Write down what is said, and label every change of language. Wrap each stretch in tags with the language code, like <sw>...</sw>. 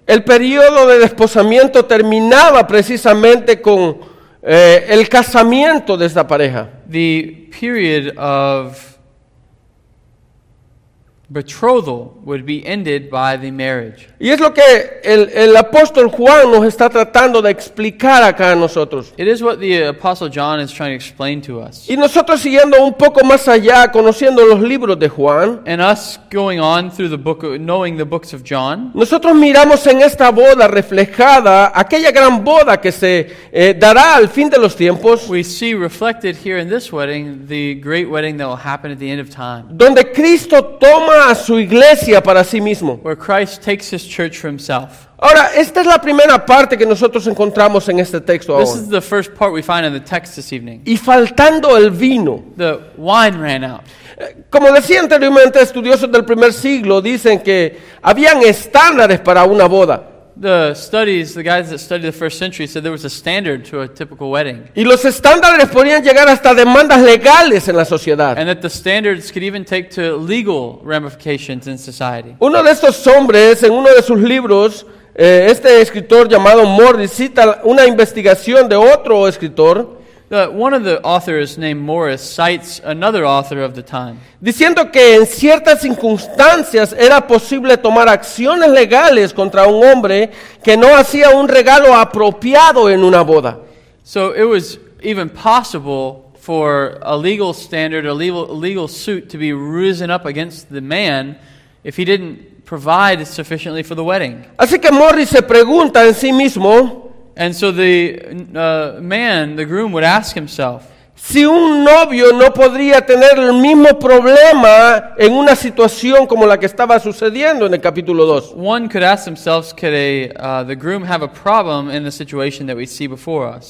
<es>El periodo de desposamiento terminaba precisamente con el casamiento de esta pareja.</es> <en>The period of betrothal would be ended by the marriage.</en> <es>Y es lo que el apóstol Juan nos está tratando de explicar acá a nosotros.</es> <en>It is what the apostle John is trying to explain to us.</en> <es>Y nosotros siguiendo un poco más allá, conociendo los libros de Juan,</es> <en>and us going on through the book, knowing the books of John,</en> <es>nosotros miramos en esta boda reflejada aquella gran boda que se dará al fin de los tiempos.</es> <en>We see reflected here in this wedding the great wedding that will happen at the end of time.</en> <es>Donde Cristo toma su iglesia para sí mismo.</es> <en>Where Christ takes his church for himself.</en> <es>Ahora, esta es la primera parte que nosotros encontramos en este texto ahora.</es> <en>This is the first part we find in the text this evening.</en> <es>Y faltando el vino.</es> <en>The wine ran out.</en> <es>Como decía anteriormente, estudiosos del primer siglo dicen que habían estándares para una boda.</es> <en>The guys that studied the first century said there was a standard to a typical wedding.</en> <es>Y los estándares podían llegar hasta demandas legales en la sociedad.</es> <en>And that the standards could even take to legal ramifications in society.</en> <es>Uno de estos hombres, en uno de sus libros, este escritor llamado Morris cita una investigación de otro escritor.</es> <en>One of the authors named Morris cites another author of the time.</en> <es>Diciendo que en ciertas circunstancias era posible tomar acciones legales contra un hombre que no hacía un regalo apropiado en una boda.</es> <en>So it was even possible for a legal standard, a legal suit to be risen up against the man if he didn't provide sufficiently for the wedding.</en> <es>Así que Morris se pregunta en sí mismo.</es> <en>And so the man, the groom, would ask himself,</en> <es>si un novio no podría tener el mismo problema en una situación como la que estaba sucediendo en el capítulo 2.</es> <en>One could ask themselves, could the groom have a problem in the situation that we see before us?</en>